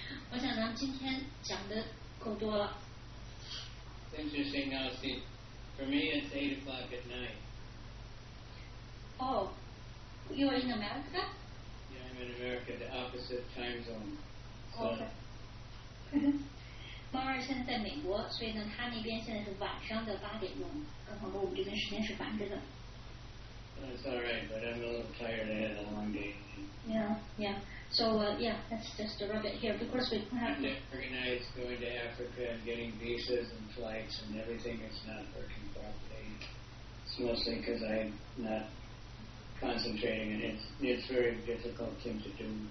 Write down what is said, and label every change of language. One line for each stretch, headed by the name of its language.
Chinese: 我想咱们今天讲的够多了。
English: It's interesting now, see, for me it's 8 o'clock at night. Oh, you are in America? Yeah, I'm in America, the opposite time zone. So. Okay.
Chinese: Mara 现在在美国，所以呢，他那边现在是晚上的八点钟，刚好跟我们这边时间是反着的。
English: That's all right, but I'm a little tired. I had a long day. Yeah, yeah. So, yeah, that's just a rabbit here. Because we have. Very nice going to Africa and getting visas and flights and everything is not working properly. It's mostly because I'm not. Concentrating, and it's very difficult thing to do.